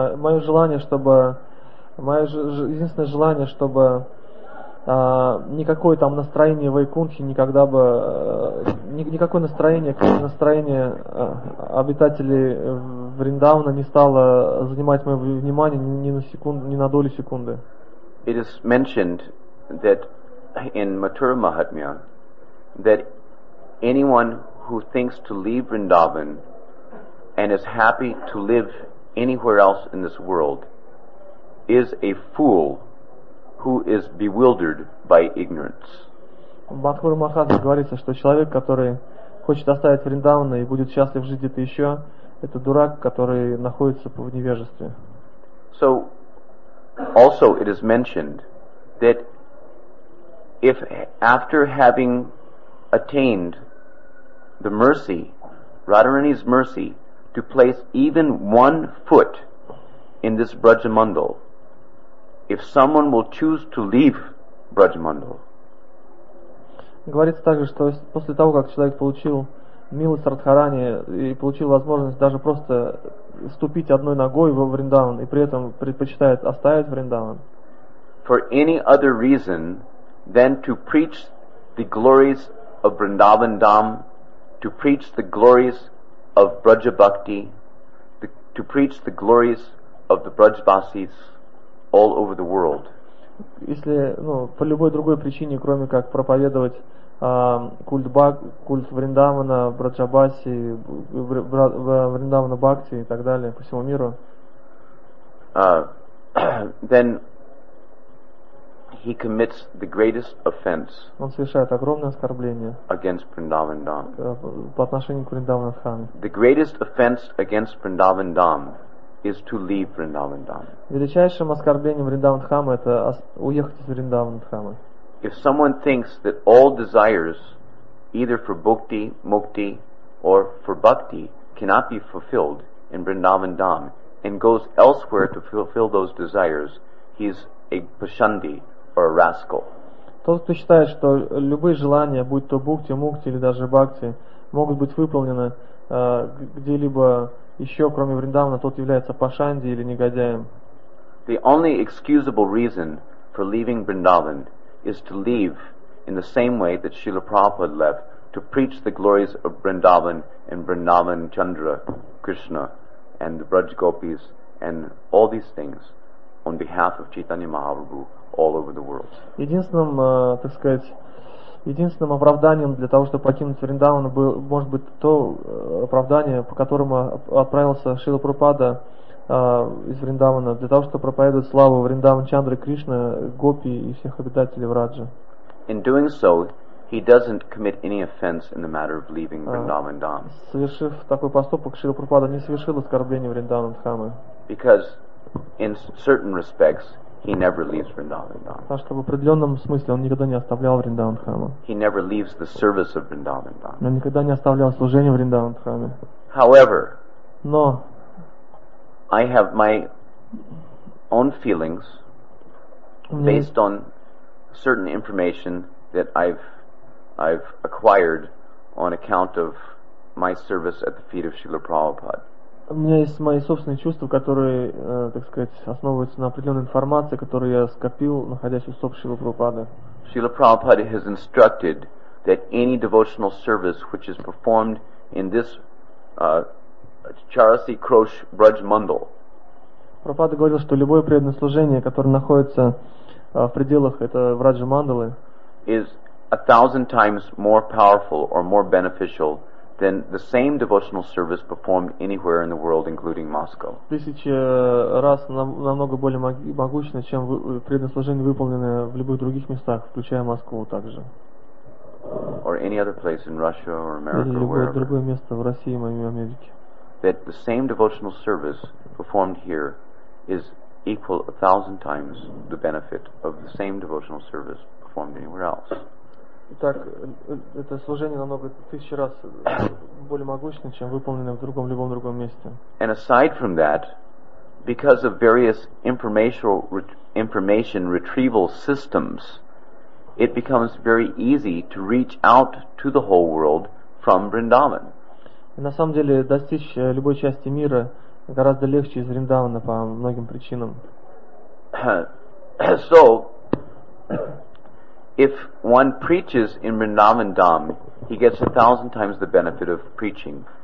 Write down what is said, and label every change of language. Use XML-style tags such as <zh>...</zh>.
<ru>Единственное желание, чтобы никакое там настроение Вайкунтхи никогда бы никакое настроение, как настроение обитателей Вриндавана не стало занимать мое внимание ни на долю секунды.</ru> <en>it is mentioned that in Mathura Mahatmya that anyone who thinks to leave Vrindavan and is happy to live anywhere else in this world is a fool who is bewildered by ignorance.</en> <ru>В Мадхура Махатме говорится, что человек, который хочет оставить Вриндаван и будет счастлив жить где-то еще, это дурак, который находится в невежестве.</ru> <en>So, also it is mentioned that if after having attained the mercy, Radharani's mercy, to place even one foot in this Brajamandal, if someone will choose to leave Brajamandal.</en> <ru>Говорится также, что после того, как человек получил милость Радхарани и получил возможность даже просто ступить одной ногой во Вриндаван и при этом предпочитает оставить Вриндаван.</ru> <en>For any other reason than to preach the glories of Vrindavan Dham, to preach the glories of Braja Bhakti, to preach the glories of the Brajvasis all over the world.</en> <ru>Если, ну, по любой другой причине, кроме как проповедовать культ культ Вриндавана, Браджабаси, Вриндавана Бхакти и так далее по всему миру,</ru> <en>then he commits the greatest offense.</en> <ru>Он совершает огромное оскорбление</ru> <en>against Vrindavan Dham.</en> <ru>По отношению к Вриндавана Дхаме.</ru> <en>The greatest offense against Vrindavan Dham is to leave Vrindavan Dham.</en> <ru>Величайшим оскорблением Вриндаван Дхамы это уехать из Вриндавана Дхамы.</ru> <en>If someone thinks that all desires, either for bhakti, mukti, or for bhakti, cannot be fulfilled in Vrindavan Dham, and goes elsewhere to fulfill those desires, he is a pashandi or a rascal.</en> <ru>Тот, кто считает, что любые желания, будь то бхакти, мукти или даже бхакти, могут быть выполнены где-либо еще, кроме Вриндавана, тот является пашанди или негодяем.</ru> <en>The only excusable reason for leaving Vrindavan is to leave in the same way that Srila Prabhupada left, to preach the glories of Vrindavan and Vrindavan Chandra, Krishna, and the Braj Gopis, and all these things on behalf of Chaitanya Mahaprabhu all over the world.</en> <ru>Единственным, так сказать, единственным оправданием для того, чтобы покинуть Вриндаван, может быть то оправдание, по которому отправился Шрила Прабхупада из Вриндавана, для того, чтобы проповедовать славу Вриндаван Чандры Кришны, Гопи и всех обитателей Враджа.</ru> <en>In doing so, he doesn't commit any offense in the matter of leaving Vrindavan Dham.</en> <ru>Совершив такой поступок, Шрила Прабхупада не совершил оскорбления Вриндавана Дхамы.</ru> <en>Because in certain respects, he never leaves Vrindavan Dham.</en> <ru>Потому что в определенном смысле он никогда не оставлял Вриндаван Дхаму.</ru> <en>He never leaves the service of Vrindavan Dham.</en> <ru>Он никогда не оставлял служение Вриндаван Дхаме.</ru> <en>However,</en> <ru>но</ru> <en>I have my own feelings based on certain information that I've acquired on account of my service at the feet of Srila Prabhupada.</en> <ru>У меня есть мои собственные чувства, которые, так сказать, основываются на определенной информации, которую я скопил, находясь у стоп Шрилы Прабхупады.</ru> <en>Шрила Прабхупада has instructed that any devotional service which is performed in this Charasi Krosh Braj Mandal.</en> <ru>Прабхупада говорил, что любое преданное служение, которое находится в пределах этого Враджа Мандалы,</ru> <en>is 1,000 times more powerful or more beneficial than the same devotional service performed anywhere in the world, including Moscow.</en> <ru>Тысячи раз намного более могущественно, чем преданное служение, выполненное в любых других местах, включая Москву также.</ru> <en>Or any other place in Russia or America,</en> <ru>или любое другое место в России или в Америке.</ru> <en>That the same devotional service performed here is equal 1,000 times the benefit of the same devotional service performed anywhere else.</en> <ru>Итак, это служение намного тысячи раз более могущественно, чем выполненное в другом любом другом месте.</ru> <en>And aside from that, because of various information retrieval systems, it becomes very easy to reach out to the whole world from Vrindavan.</en> <ru>И на самом деле достичь любой части мира гораздо легче из Вриндавана по многим причинам.</ru> <en>So, if one preaches in Vrindavan Dham, he gets 1,000 times the benefit of preaching.</en>